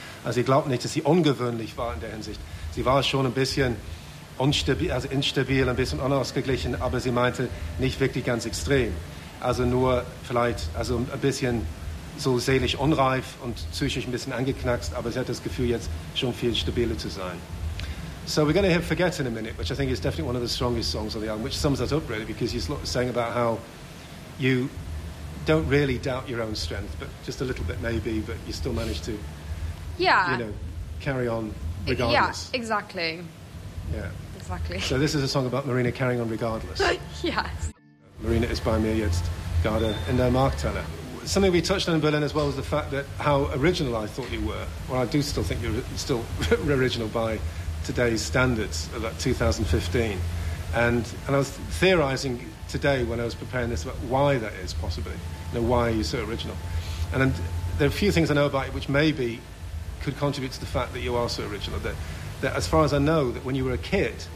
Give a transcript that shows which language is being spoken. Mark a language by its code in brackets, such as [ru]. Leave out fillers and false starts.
[de] Also sie glaubt nicht, dass sie ungewöhnlich war in der Hinsicht. Sie war schon ein bisschen instabil, ein bisschen unausgeglichen, aber sie meinte, nicht wirklich ganz extrem. Also nur vielleicht also ein bisschen so seelisch unreif und psychisch ein bisschen angeknackst, aber sie hat das Gefühl, jetzt schon viel stabiler zu sein. [en] So we're going to hear Forget in a minute, which I think is definitely one of the strongest songs on the album, which sums that up really, because you're saying about how you don't really doubt your own strength, but just a little bit maybe, but you still manage to, yeah, you know, carry on regardless. Yeah, exactly. Yeah. Exactly. So this is a song about Marina carrying on regardless. Yes. [de] Marina ist bei mir jetzt gerade in der Markthalle. [en] Something we touched on in Berlin as well was the fact that how original I thought you were. Well, I do still think you're still original by today's standards of like 2015. And I was theorizing today when I was preparing this about why that is possibly. You know, why are you so original? And there are a few things I know about you which maybe could contribute to the fact that you are so original, that as far as I know, that when you were a kid,